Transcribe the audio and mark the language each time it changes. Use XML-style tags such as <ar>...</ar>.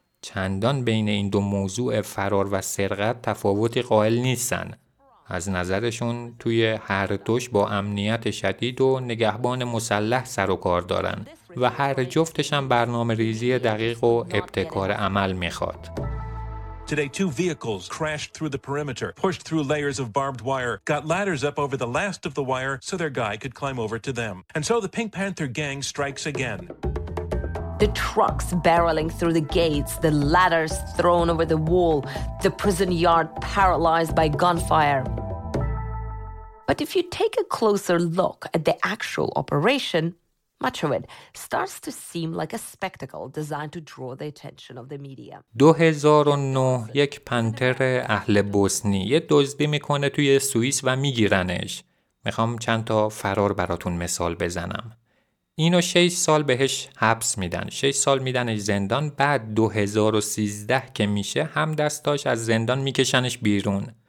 <fa>چندان بین این دو موضوع فرار و سرقت تفاوتی قائل نیستن. از نظرشون توی هر دوش با امنیت شدید و نگهبان مسلح سر و کار دارن و هر جفتش هم برنامه ریزی دقیق و ابتکار عمل میخواد.</fa> <en>Today, two vehicles crashed through the perimeter, pushed through layers of barbed wire, got ladders up over the last of the wire so their guy could climb over to them. And so the Pink Panther gang strikes again. The trucks barreling through the gates, the ladders thrown over the wall, the prison yard paralyzed by gunfire. But if you take a closer look at the actual operation, much of it starts to seem like a spectacle designed to draw the attention of the media.</en> <fa>2009 یک پنتر اهل بوسنی یه دزدی میکنه توی سوئیس و میگیرنش. میخوام چند تا فرار براتون مثال بزنم. اینو 6 سال بهش حبس میدن. 6 سال میدنش زندان. بعد 2013 که میشه هم دستاش از زندان میکشنش بیرون.</fa>